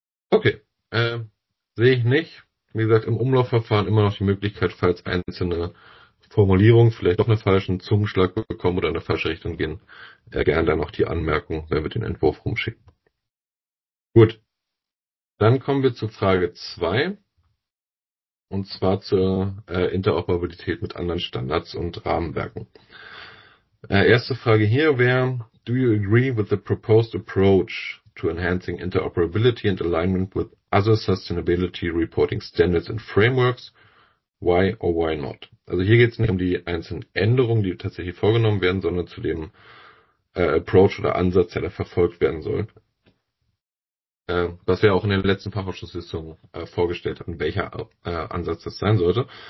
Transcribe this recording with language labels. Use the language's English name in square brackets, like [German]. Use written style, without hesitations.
[German] Okay, sehe ich nicht. Wie gesagt, im Umlaufverfahren immer noch die Möglichkeit, falls einzelne Formulierungen vielleicht doch einen falschen Zungenschlag bekommen oder in eine falsche Richtung gehen, gerne dann noch die Anmerkung, wenn wir den Entwurf rumschicken. Gut, dann kommen wir zu Frage 2, und zwar zur Interoperabilität mit anderen Standards und Rahmenwerken. Erste Frage hier wäre, [English] do you agree with the proposed approach to enhancing interoperability and alignment with other sustainability reporting standards and frameworks? Why or why not? [German] Also hier geht es nicht um die einzelnen Änderungen, die tatsächlich vorgenommen werden, sondern zu dem Approach oder Ansatz, der da verfolgt werden soll. Was wir auch in der letzten Fachausschusssitzung vorgestellt hatten, welcher Ansatz das sein sollte.